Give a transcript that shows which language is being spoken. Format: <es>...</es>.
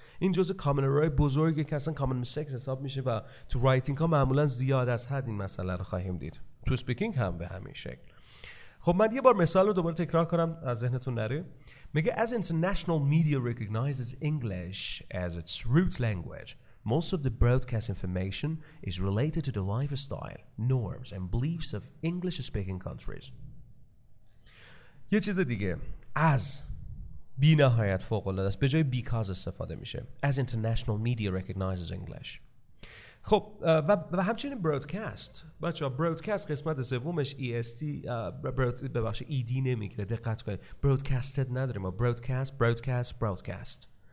<fa>این جزء کامن ارور بزرگی که اصلا کامن میسکس حساب میشه و تو رایتینگ ها معمولا زیاد از حد این مسئله رو خواهیم دید، تو اسپیکینگ هم به همین شکل. خب من یه بار مثال رو دوباره تکرار کنم از ذهنتون نره. میگه</fa> <en>as international media recognizes English as its root language, most of the broadcast information is related to the lifestyle, norms and beliefs of English speaking countries.</en> <fa>یه چیز دیگه، as بی نهایت فوق العاده است، به جای because استفاده میشه.</fa> <en>As international media recognizes English.</en> <fa>خب و همچنین برودکست. بچه ها برودکست قسمت سومش ED نمیگیره، دقت کنید، برودکستد نداریم، برودکست.</fa>